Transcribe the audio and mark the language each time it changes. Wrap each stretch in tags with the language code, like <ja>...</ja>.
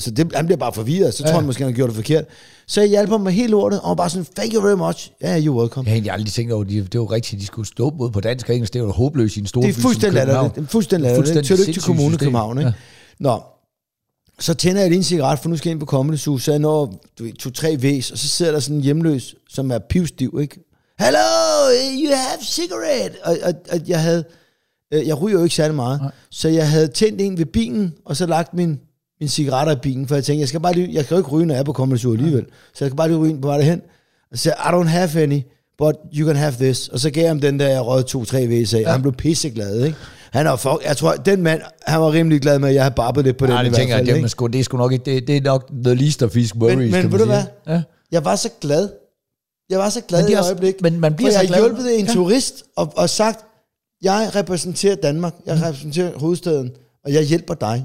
<da>Så han bliver bare forvirret, så tror han måske, han har gjort det forkert. Så jeg hjælper ham med helt lortet, og bare sådan,</da> <en>thank you very much. Yeah, you're welcome.</en> <da>Jeg havde aldrig tænkt over, det var rigtigt, de skulle stå både på dansk og engelsk, det var jo håbløst i en stor by. Det er fuldstændig lader det. Fuldstændig kommune, København, ikke? Ja. Nå. Så tænder jeg lige en cigaret, for nu skal jeg ind på Comedy Zoo, så jeg når 2-3 væs, og så sidder der sådan en hjemløs, som er pivstiv, ikke?</da> <en>Hello, you have cigarette!</en> <da>Og jeg ryger jo ikke særlig meget, nej. Så jeg havde tændt en ved bilen, og så lagt min cigaretter i bilen, for jeg tænkte, jeg skal jo ikke ryge, når jeg er på Comedy Zoo alligevel, så jeg skal bare lige ryge på vej derhen. Og så sagde,</da> <en>I don't have any, but you can have this.</en> <da>Og så gav jeg ham den der, jeg røg 2-3 væs af, og han blev pisseglad, ikke? Jeg tror, den mand, han var rimelig glad med, at jeg havde barbet lidt på den. Nej, det tænker jeg, det er sgu nok ikke, det er nok</da> <en>the least of fish worries,</en> <da>men ved du hvad? Ja. Jeg var så glad. Jeg var så glad i øjeblik. Men man bliver så glad. For jeg hjulpet en turist og sagt, jeg repræsenterer Danmark, jeg repræsenterer hovedstaden, og jeg hjælper dig.</da>